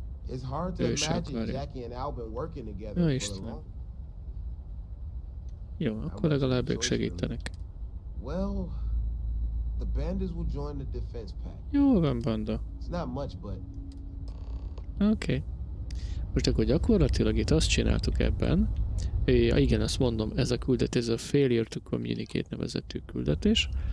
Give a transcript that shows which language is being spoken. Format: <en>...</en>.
<en>It's hard to imagine Jackie and Alban working together for so long.</en> <hu>Jó, akkor legalább ők segítenek.</hu> <en>Well, the bandits will join the defense pack.</en> <hu>Jó van, banda.</hu> <en>It's not much, but... okay.</en> <hu>Most akkor gyakorlatilag itt azt csináltuk ebben. Ja, igen, azt mondom, ez a küldetés, ez a failure to communicate nevezetű küldetés.</hu>